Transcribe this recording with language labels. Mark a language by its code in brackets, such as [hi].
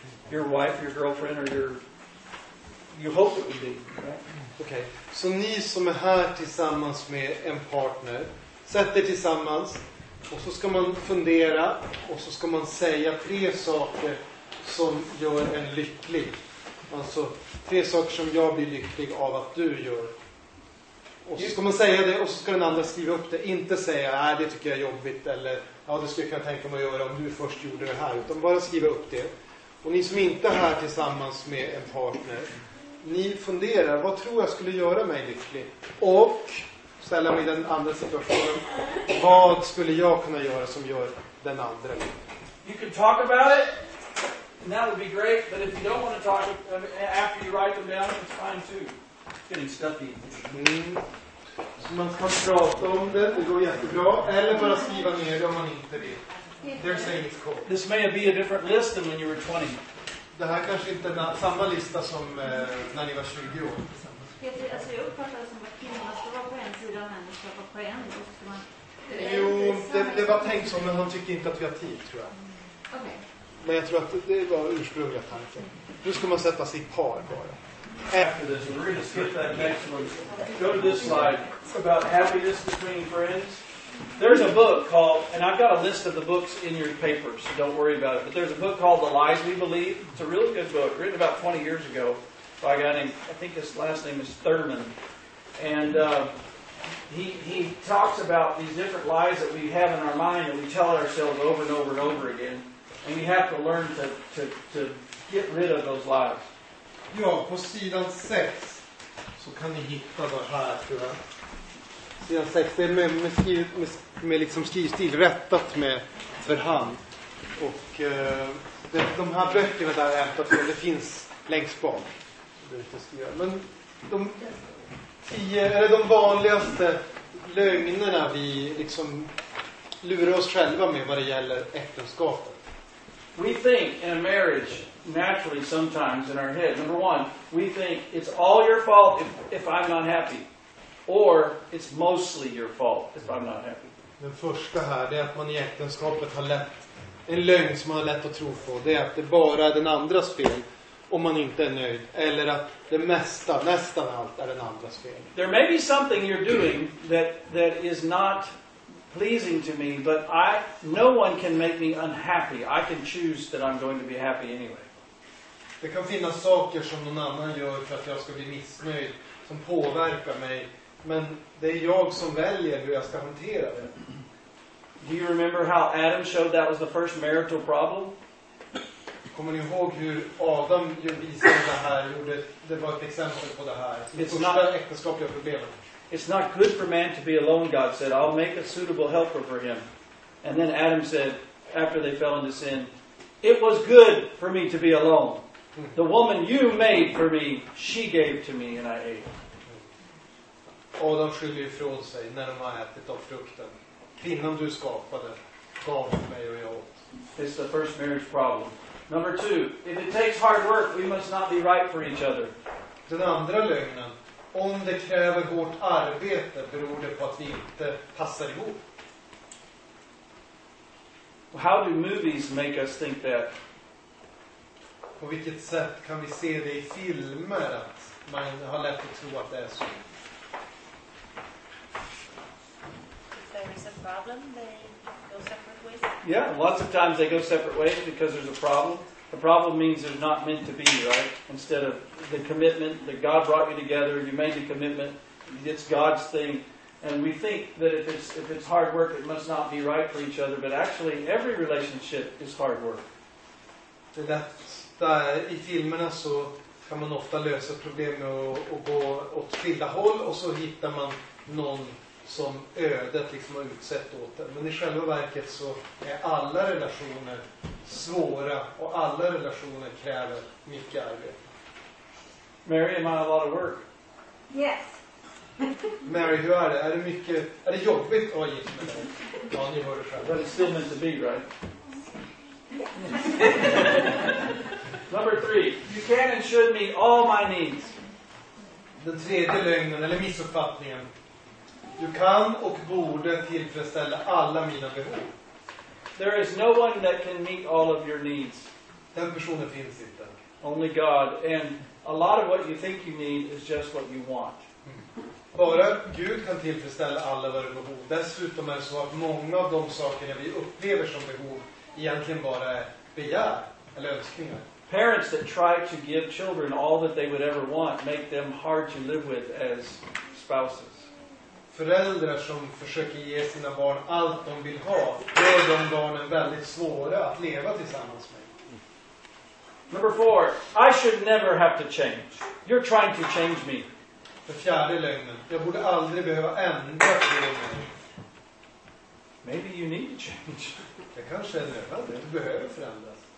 [en] Your wife, your girlfriend, or you hope it would be, right? [sv] Okay, så ni som är här tillsammans med en partner, sätter tillsammans och så ska man fundera och så ska man säga tre saker som gör en lycklig. Alltså tre saker som jag blir lycklig av att du gör. Och så ska man säga det och så ska den andra skriva upp det. Inte säga, nej det tycker jag är jobbigt eller ja det skulle jag tänka mig att göra om du först gjorde det här. Utan bara skriva upp det. Och ni som inte är här tillsammans med en partner, ni funderar, vad tror jag skulle göra mig lycklig? Och ställa mig i den andra situationen, vad skulle jag kunna göra som gör den andra? [en] You can talk about it, and that would be great, but if you don't want to talk after you write them down, it's fine too. It's getting stuffy. [sv] Så man kan prata om det, det går jättebra, eller bara skriva ner det om man inte vill. [en] They're saying it's cool. This may be a different list than when you were 20. [sv] Det här kanske inte är samma lista som när ni var 20 år. Jag uppfattar det som att kvinnorna ska vara på en sida och män ska vara på en. Jo, det var tänkt så, men han tycker inte att vi har tid, tror jag. Okay. Men jag tror att det var ursprungliga tanken. Nu ska man sätta sig i par bara. [en] After this, we're going to skip that next one. Go to this slide about happiness between friends. There's a book called, and I've got a list of the books in your papers, so don't worry about it, but there's a book called The Lies We Believe. It's a really good book, written about 20 years ago by a guy named, I think his last name is Thurman. And he talks about these different lies that we have in our mind and we tell ourselves over and over and over again. And you have to learn to get rid of those lies. [sv] Ja, på sidan 6 så kan ni hitta det här, tror jag. Sidan 6, det är med liksom skrivstil rättat med för hand. Och de här böckerna där är ämtat för, det finns längst bak. Men de vanligaste lögnerna vi liksom lurar oss själva med vad det gäller äktenskapet. [en] We think in a marriage, naturally sometimes in our head, number one, we think it's all your fault if I'm not happy. Or it's mostly your fault if I'm not happy. [sv] Den första här är att man i äktenskapet har lätt en lögn som man har lätt att tro på. Det är att det bara är den andras fel om man inte är nöjd. Eller att det mesta, nästan allt, är den andras fel. [en] There may be something you're doing that is not pleasing to me, but no one can make me unhappy. I can choose that I'm going to be happy anyway. [sv] Det kan finnas saker som någon annan gör för att jag ska bli missnöjd som påverkar mig. Men det är jag som väljer hur jag ska hantera det. [en] Do you remember how Adam showed that was the first marital problem? [sv] Kommer ni ihåg hur Adam visade det här? Det var ett exempel på det här. Det första äktenskapliga problemet. [en] It's not good for man to be alone, God said. I'll make a suitable helper for him. And then Adam said, after they fell into sin, it was good for me to be alone. The woman you made for me, she gave to me and I ate. [sv] Adam skyller ifrån sig när de har ätit av frukten. Kvinnan du skapade gav mig och jag åt. [en] It's the first marriage problem. Number two, if it takes hard work, we must not be right for each other. [sv] Den andra lögnen, om det kräver vårt arbete beror det på att vi inte passar ihop. [en] How do movies make us think that? [sv] På vilket sätt kan vi se det i filmer att man har lätt att tro att det är så? [en] If there is a problem, they will separate ways. Yeah, lots of times they go separate ways because there's a problem. The problem means there's not meant to be, right? Instead of the commitment that God brought you together, you made the commitment, it's God's thing. And we think that if it's hard work, it must not be right for each other. But actually, every relationship is hard work. [sv] I filmerna så kan man ofta lösa problem med att gå åt skilda håll och så hittar man någon som ödet liksom har utsett åt det. Men i själva verket så är alla relationer svåra och alla relationer kräver mycket arbete. [en] Mary, am I a lot of work? Yes. [sv] Mary, hur är det? Är det mycket, är det jobbigt att vara gift med dig? Ja, ni hör det själv. [en] But it's still meant to be, right? Number three. You can and should meet all my needs. [sv] Den tredje lögnen, eller missuppfattningen. Du kan och borde tillfredsställa alla mina behov. [en] There is no one that can meet all of your needs. [sv] Den personen finns inte. [en] Only God. And a lot of what you think you need is just what you want. [sv] Bara Gud kan tillfredsställa alla våra behov. Dessutom är det så att många av de sakerna vi upplever som behov egentligen bara är begär eller önskningar. [en] Parents that try to give children all that they would ever want make them hard to live with as spouses. [sv] Föräldrar som försöker ge sina barn allt de vill ha gör de barnen väldigt svåra att leva tillsammans med. [en] Number four, I should never have to change. You're trying to change me. [sv] För fjärde lögnen, jag borde aldrig behöva ändra på mig. [en] Maybe you need to change. [sv] Jag kanske är nödvändig, du behöver förändras.